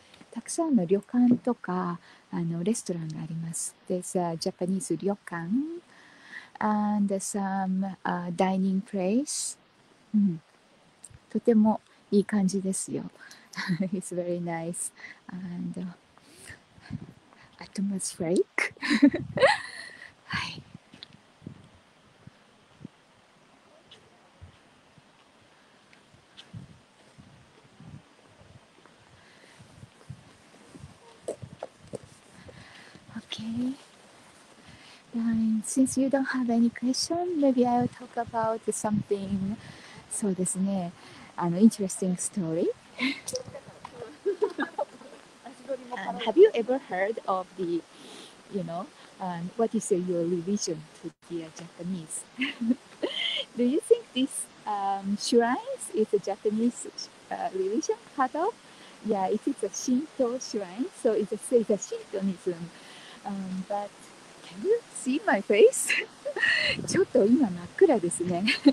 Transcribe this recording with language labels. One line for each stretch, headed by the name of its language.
Japanese: たくさんの旅館とかレストランがあります。
English: There's a Japanese 旅館 and some dining place.
Japanese: うん。とてもいい感じですよ。
English: It's very nice. And atmospheric. Okay. And since you don't have any question, maybe I'll talk about something.
Japanese: そうですね。
English: interesting story. Have you ever heard of the, you know, what is your religion to the Japanese? Do you think this shrine is a Japanese religion part of? Yeah, it is a Shinto shrine, so it's a Shintoism. But can you see my face?
Japanese: ちょっと今真っ暗ですね。